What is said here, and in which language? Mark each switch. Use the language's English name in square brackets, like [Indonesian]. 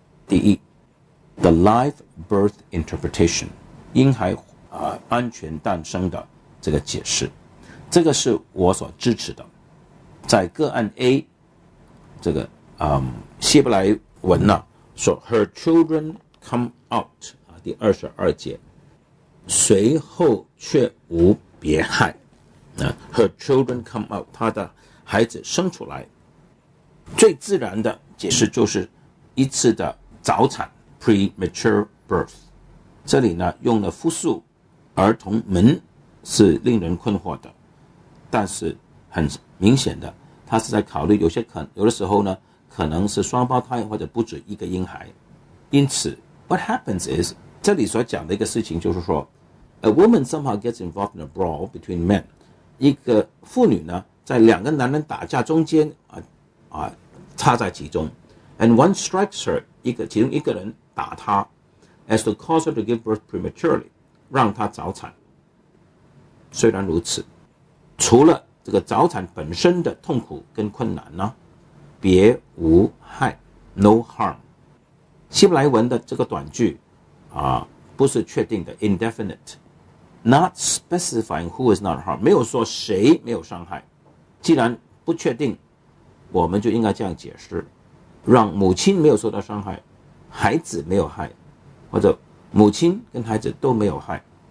[Chinese] 第一 [English] the live birth interpretation [Chinese] 婴孩安全诞生的这个解释，这个是我所支持的。在个案 A 这个希伯来文呢说 [English] her children come out [Chinese] 第22节，随后却无别害。 [English] Her children come out， 她的孩子生出来。 [Chinese] 最自然的解释就是一次的早产 [English] premature birth。 [Chinese] 这里呢用了复数儿童们是令人困惑的，但是很明显的，他是在考虑有的时候呢可能是双胞胎或者不止一个婴孩，因此。 [English] What happens is, [Chinese] 这里所讲的一个事情就是说 [English] a woman somehow gets involved in a brawl between men. [Chinese] 一个妇女呢在两个男人打架中间插在其中。 [English] And one strikes her, [Chinese] 其中一个人打她 [English] as to cause her to give birth prematurely, [Chinese] 让她早产。虽然如此，除了这个早产本身的痛苦跟困难呢，别无害 , [English] no harm。 [Chinese] 希伯来文的这个短句不是确定的 [English] indefinite not specifying who is not harmed， [Chinese] 没有说谁没有伤害，既然不确定我们就应该这样解释，让母亲没有受到伤害，孩子没有害，或者母亲跟孩子都没有害。